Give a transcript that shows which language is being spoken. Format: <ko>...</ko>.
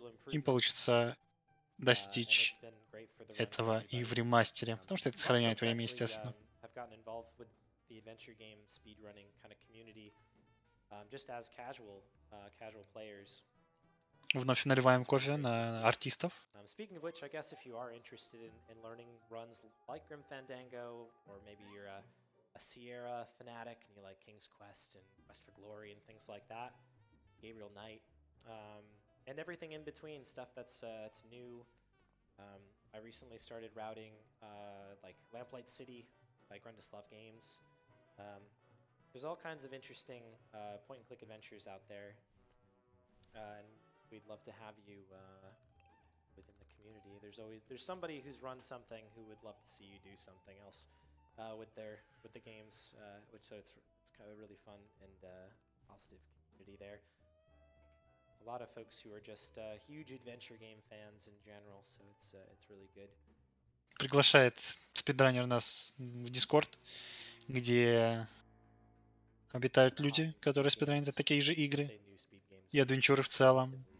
<ru>Им получится достичь этого и в ремастере, потому что это сохраняет время, естественно.</ru> <en>Gotten involved with the adventure game speedrunning kind of community, just as casual players.</en> <ru>Вновь наливаем кофе на артистов.</ru> <en>Speaking of which, I guess if you are interested in learning runs like Grim Fandango, or maybe you're a Sierra fanatic and you like King's Quest and Quest for Glory and things like that, Gabriel Knight, and everything in between, stuff that's new. I recently started routing like Lamplight City. By Grundislav Games. There's all kinds of interesting point-and-click adventures out there, and we'd love to have you within the community. There's somebody who's run something who would love to see you do something else with the games, which so it's kind of a really fun and positive community there. A lot of folks who are just huge adventure game fans in general, so it's really good.</en> <ru>Приглашает спидранер нас в Discord, где обитают люди, которые спидранят такие же игры и адвенчуры в целом.</ru>